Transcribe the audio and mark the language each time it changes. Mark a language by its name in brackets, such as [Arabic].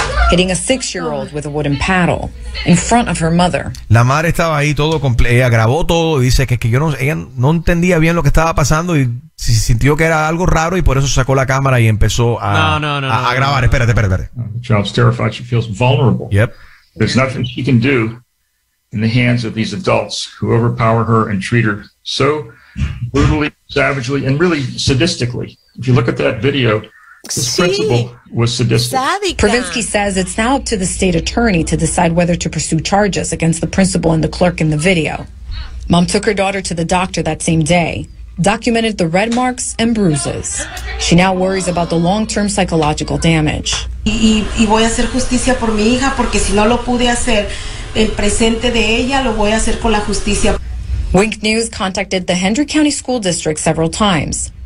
[English] Hitting a 6-year-old with a wooden paddle in front of her mother. [Spanish] La madre estaba ahí todo completo, ella grabó todo, dice que yo no, ella no entendía bien lo que estaba pasando y se sintió que era algo raro y por eso sacó la cámara y empezó a grabar. Espérate. [English] The child's terrified, she feels vulnerable. Yep. There's nothing she can do in the hands of these adults who overpower her and treat her so brutally, savagely, and really sadistically. If you look at that video, this principal was sadistic. Pravinsky says it's now up to the state attorney to decide whether to pursue charges against the principal and the clerk in the video. Mom took her daughter to the doctor that same day, documented the red marks and bruises. She now worries about the long-term psychological damage. [Spanish] Y voy a hacer justicia por mi hija porque si no lo pude hacer el presente de ella lo voy a hacer con la justicia. [English] Wink News contacted the Hendry County School District several times.